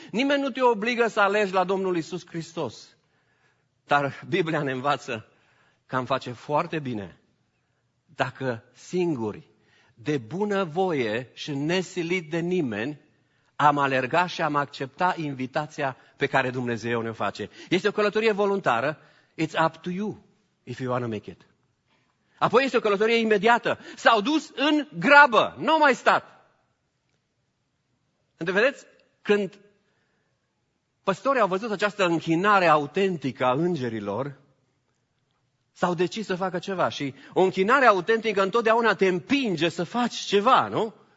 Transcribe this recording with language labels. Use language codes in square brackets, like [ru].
[ro] Nimeni nu te obligă să alegi la Domnul Iisus Hristos. Dar Biblia ne învață că am face foarte bine dacă singuri, de bună voie și nesilit de nimeni, am alergat și am acceptat invitația pe care Dumnezeu ne-o face. Este o călătorie voluntară. [en] It's up to you if you want to make it. [ro] Apoi este o călătorie imediată. S-au dus în grabă. N-au mai stat. Vedeți? Când păstorii au văzut această închinare autentică a îngerilor, s-au decis să facă ceva. Și o închinare autentică întotdeauna te împinge să faci ceva, nu?